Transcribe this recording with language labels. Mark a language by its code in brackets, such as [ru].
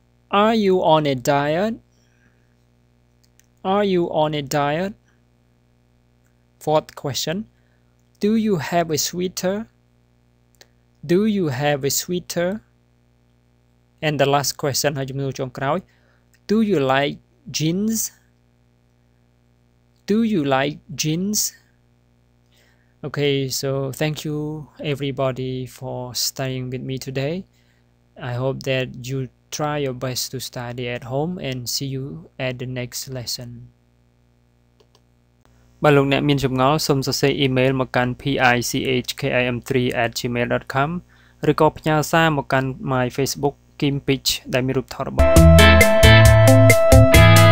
[en] Are you on a diet? Are you on a diet? Fourth question. Do you have a sweater? Do you have a sweater? And the last question [km] ហើយជំនួសចុងក្រោយ [en] Do you like jeans? Do you like jeans? Okay, so thank you everybody for studying with me today. I hope that you try your best to study at home and see you at the next lesson. [km] បើលោកអ្នកមានចម្ងល់សូមសរសេរ email មកកាន់ pichkim3@gmail.com ឬក៏ផ្ញើសារមកកាន់ my Facebook.Kim Pitch ដែលមានរូបថតរបស់